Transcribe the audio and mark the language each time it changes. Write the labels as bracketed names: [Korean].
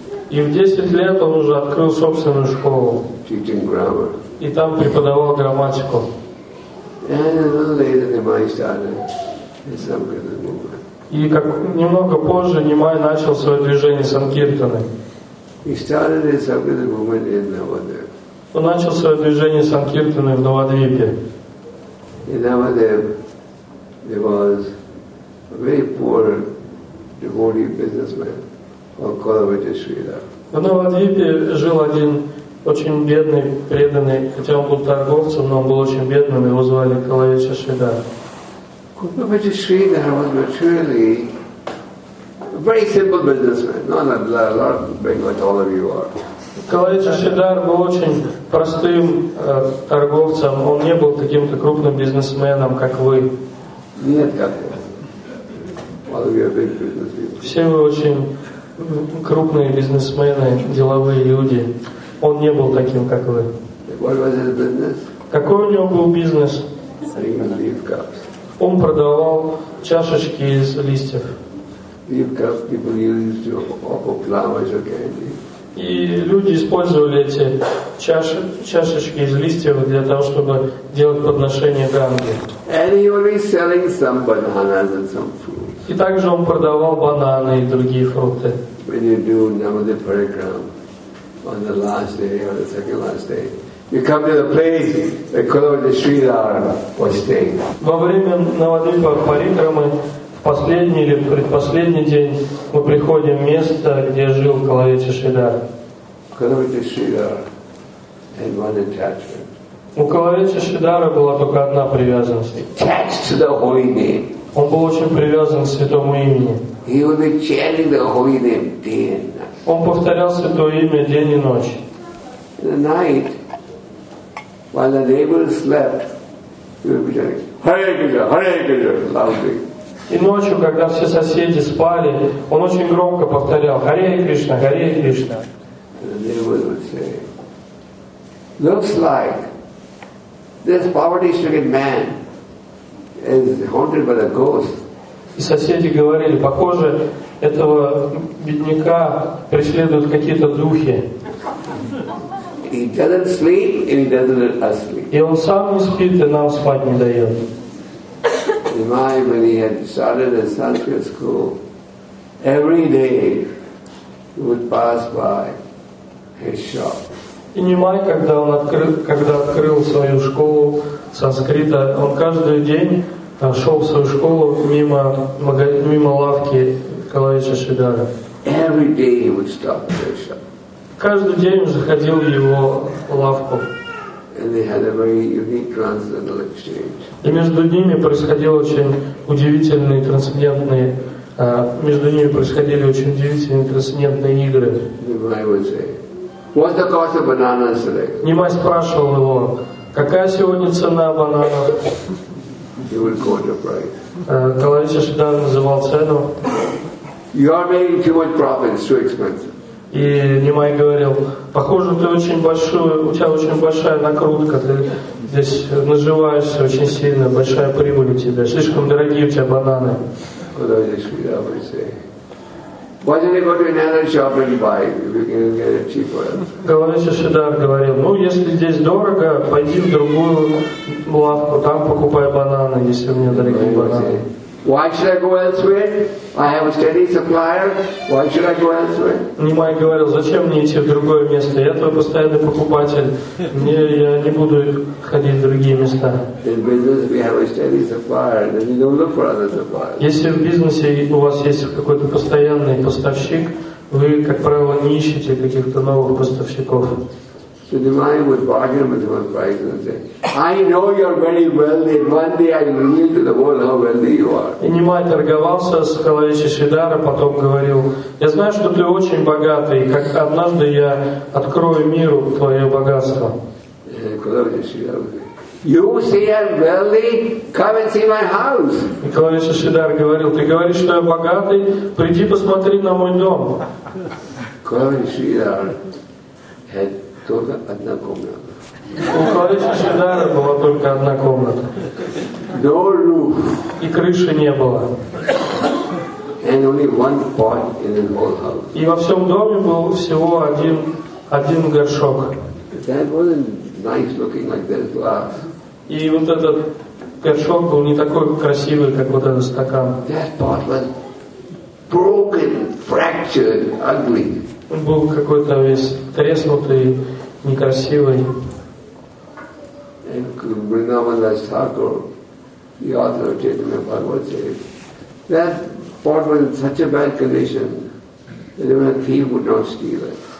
[Russian] И И в 10 лет он уже открыл собственную школу. [English] Teaching grammar. [Russian] И там преподавал грамматику. [English] And a little later, Nimai started his Sankirtan movement. [Russian] И как немного позже Нимай начал свое движение Санкиртаны. [English] He started his Sankirtan movement in Navadvipa. [Russian] Он начал свое движение Санкиртаны в Навадвипе. [English] In Navadvipa, there was a very poor devotee businessman called Kolavati Sridhar. [Russian] В Навадвипе жил один очень бедный, преданный, хотя он был торговцем, но он был очень бедным, его звали Калавича Шридар. [English] Калавича Шридар was actually a very simple businessman, not a lot big like all of you are. [Russian] Калавича Шридар был очень простым торговцем, он не был таким-то крупным бизнесменом, как вы. Нет, как [English] all of you are big businessmen. [Russian] Все вы очень крупные бизнесмены, деловые люди. Он не был таким, как вы. [English] What was his business? [Russian] Какой у него был бизнес? [English] Leaf cups. [Russian] Он продавал чашечки из листьев. [English] Leaf cups people used to offer flowers or candy. [Russian] И люди использовали эти чашечки из листьев для того, чтобы делать подношения Ганге. [English] And he was selling some bananas and some fruits. [Russian] И также он продавал бананы и другие фрукты. [English] When you do Navadvipa parikrama. On the last day or the second last day, you come to the place where Kolavati Sridhar was staying. [Russian] Во время Навадвипа парикрамы в последний или предпоследний день мы приходим в место, где жил Калавича Шридар. [English] Kolavati Sridhar had one attachment. [Russian] У Калавича Шридара была только одна привязанность. [English] Attached to the holy name. [Russian] Он был очень привязан к святому имени. [English] He would be chanting the holy name day and night. [Russian] Он повторял святое имя день и ночь. [English] In the night, while the neighbors slept, he would be chanting Hare Krishna, Hare Krishna, loudly. [Russian] И ночью, когда все соседи спали, он очень громко повторял Hare Krishna, Hare Krishna. [English] And the neighbors would say, looks like this poverty-stricken man is haunted by the ghost. [Russian] И соседи говорили, похоже, этого бедняка преследуют какие-то духи. [English] He doesn't sleep and he doesn't sleep. [Russian] И он сам не спит и нам спать не дает. [English] Nimai, when he had started his Sanskrit school, every day he would pass by his shop. [Russian] И Nimai, когда открыл свою школу санскрита, он каждый день шел в свою школу мимо лавки Калавича Шридара. [English] Every day he would stop at his shop. [Russian] Каждый день он заходил в его лавку. [English] And they had a very unique transcendental exchange. [Russian] И между ними происходил очень удивительный трансцендентный игры. [English] Nimai would say, what's the cost of bananas today? [Russian] Nimai спрашивал его, какая сегодня цена бананов? [English] He would quote a price. [Russian] Калавича Шридар называл цену. [English] You are making too much profit, it's too expensive. [Russian] И Nimai говорил, похоже, ты очень большой, у тебя очень большая накрутка, ты здесь наживаешься очень сильно, большая прибыль у тебя, слишком дорогие у тебя бананы. [English] Калавича Шридар would say, why don't you go to another shop and buy it if you can get it cheaper? [Russian] Калавича Шридар говорил, ну если здесь дорого, пойди в другую лавку, там покупай бананы, если у меня дорогие бананы. [English] Why should I go elsewhere? I have a steady supplier. Why should I go elsewhere? [Russian] Nimai говорил, зачем мне идти в другое место? Я твой постоянный покупатель. Я не буду ходить в другие места. [English] In business, we have a steady supplier. Then you don't look for other suppliers. [Russian] Если в бизнесе у вас есть какой-то постоянный поставщик, вы, как правило, не ищете каких-то новых поставщиков. [English] So Nimai would bargain with him on price and say, I know you're very wealthy, one day I'll reveal to the world how wealthy you are. [Russian] И Nimai торговался с Калавича Шридара, потом говорил, я знаю, что ты очень богатый, как однажды я открою миру твое богатство. [English] Калавича Шридар would say, you say I'm wealthy, come and see my house. [Russian] И Калавича Шридар говорил, ты говоришь, что я богатый, приди посмотри на мой дом. Калавича Шридар [English] had [Russian] только одна комната. У Калавича Шридара была только одна комната. [English] No roof. [Russian] И крыши не было. [English] and only one pot in his whole house. [Russian] И во всем доме был всего один горшок. [English] That wasn't nice looking like this glass. [Russian] И вот этот горшок был не такой красивый, как вот этот стакан. [English] That pot was broken, fractured, ugly. [Russian] Он был какой-то весь треснутый, некрасивый. [English] And Vrindavan's Thakur, the author of Chaitanya Bhagavat, said, that pot was in such a bad condition that even a thief would not steal it.